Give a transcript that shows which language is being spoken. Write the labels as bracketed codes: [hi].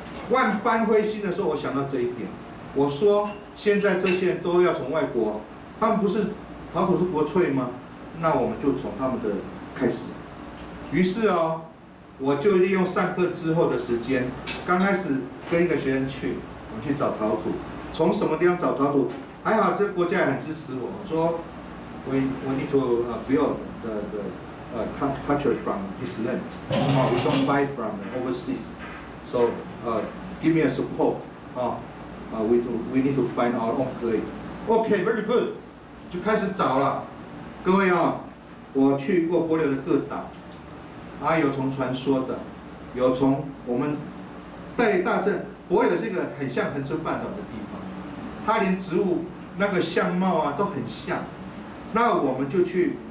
[zh] 万般灰心的时候，我想到这一点。我说现在这些人都要从外国，他们不是陶土是国粹吗？那我们就从他们的开始。于是哦，我就利用上课之后的时间，刚开始跟一个学生去，我们去找陶土。从什么地方找陶土？还好这个国家也很支持我，说 [en] we need to build the culture from this land， we don't buy from overseas， so give me a support、哦we need to find our own clay. Okay, very good. [zh] 就开始找了。各位啊、哦，我去过柏流的各岛，啊，有从传说的，有从我们戴大镇。柏流是一个很像恒春半岛的地方，它连植物那个相貌啊都很像。那我们就去